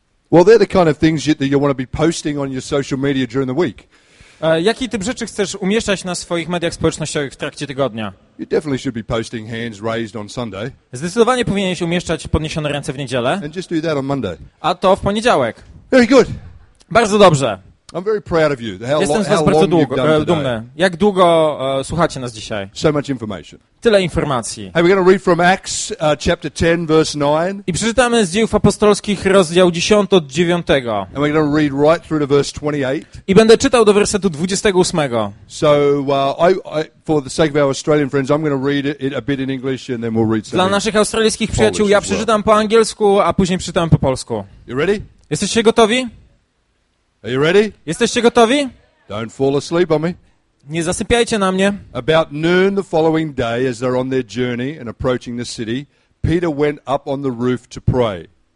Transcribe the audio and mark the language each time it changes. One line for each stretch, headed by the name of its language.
English: Well, they're the kind of things that you want to be posting on your social media during the week.
Polish: Jaki typ rzeczy chcesz umieszczać na swoich mediach społecznościowych w trakcie tygodnia?
English: You definitely should be posting hands raised on Sunday.
Polish: Zdecydowanie powinieneś umieszczać podniesione ręce w niedzielę.
English: And just do that on Monday.
Polish: A to w poniedziałek.
English: Very good.
Polish: Bardzo dobrze.
English: I'm very proud of you.
Polish: Jestem z was bardzo dumny. Jak długo słuchacie nas dzisiaj?
English: So much information.
Polish: Tyle informacji.
English: Hey, we're going to read from Acts chapter 10 verse 9.
Polish: I przeczytamy z Dziejów Apostolskich rozdział 10 od 9.
English: And we're going to read right through to verse 28.
Polish: I będę czytał do wersetu 28.
English: So I for the sake of our Australian friends, I'm going to read it a bit in English and then we'll read some.
Polish: Dla naszych australijskich przyjaciół ja przeczytam po angielsku, a później przeczytam po polsku.
English: You ready?
Polish: Jesteście gotowi?
English: Are you ready?
Polish: Jesteście gotowi?
English: Don't fall asleep on me.
Polish: Nie zasypiajcie na mnie.
English: About noon the following day, as they're on their journey and approaching the city, Peter went up on the roof to pray.